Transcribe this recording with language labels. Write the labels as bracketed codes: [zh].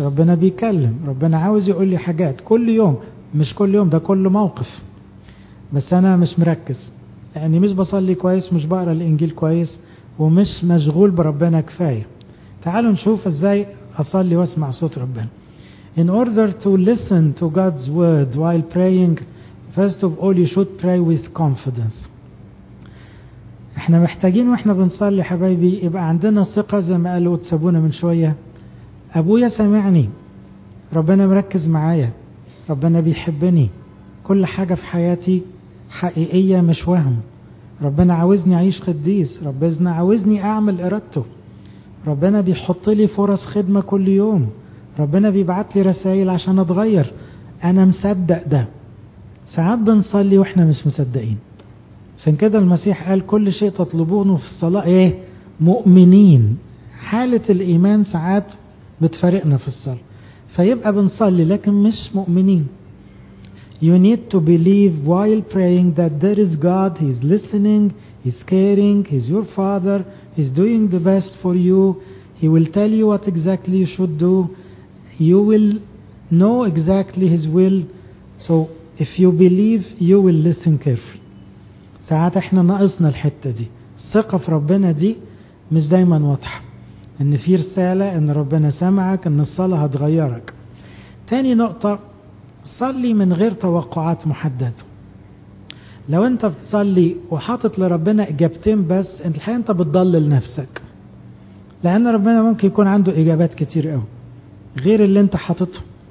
[ar] ربنا بيكلم، ربنا عاوز يقول لي حاجات كل يوم، مش كل يوم، ده كل موقف، بس انا مش مركز، يعني مش بصلي كويس، مش بقرا الانجيل كويس، ومش مشغول بربنا كفايه. تعالوا نشوف ازاي اصلي واسمع صوت ربنا. [en] In order to listen to God's word while praying, first of all you should pray with confidence. [ar] احنا محتاجين واحنا بنصلي حبايبي يبقى عندنا ثقة، زي ما قالوا تسابونا من شوية، ابويا سامعني، ربنا مركز معايا، ربنا بيحبني، كل حاجة في حياتي حقيقية مش وهم، ربنا عاوزني اعيش قديس، ربنا عاوزني اعمل ارادته، ربنا بيحط لي فرص خدمة كل يوم، ربنا بيبعت لي رسائل عشان اتغير، انا مصدق ده. ساعات بنصلي واحنا مش مصدقين، عشان كده المسيح قال كل شيء تطلبونه في الصلاة ايه؟ مؤمنين. حالة الإيمان ساعات بتفارقنا في الصلاة، فيبقى بنصلي لكن مش مؤمنين. [en] You need to believe while praying that there is God, He's listening, He's caring, He's your father, He's doing the best for you, He will tell you what exactly you should do, you will know exactly His will, so if you believe you will listen carefully. [ar] ساعات احنا ناقصنا الحتة دي، الثقة في ربنا دي مش دايما واضحة، ان في رسالة، ان ربنا سمعك، ان الصلاة هتغيرك. تاني نقطة، صلي من غير توقعات محددة. لو انت بتصلي وحاطط لربنا اجابتين بس، انت الحقيقة انت بتضلل نفسك، لان ربنا ممكن يكون عنده اجابات كتير قوي غير اللي انت حاططه.